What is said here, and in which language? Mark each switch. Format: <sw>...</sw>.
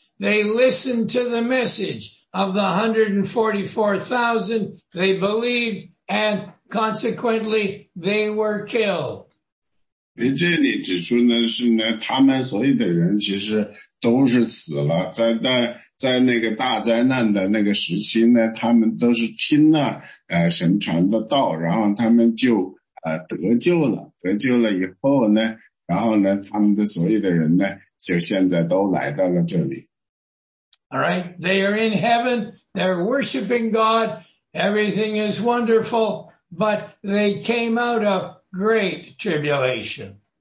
<en>They listened to the message of the 144,000. They believed, and consequently, they were killed.</en> <zh>这里指出呢，是呢，他们所有的人其实都是死了，在那个大灾难的那个时期呢，他们都是听了神传的道，然后他们就得救了，得救了以后呢。然后呢，他们的所有的人呢，就现在都来到了这里。</zh> <en>All right, they are in heaven, they're worshiping God, everything is wonderful, but they came out of great tribulation.</en>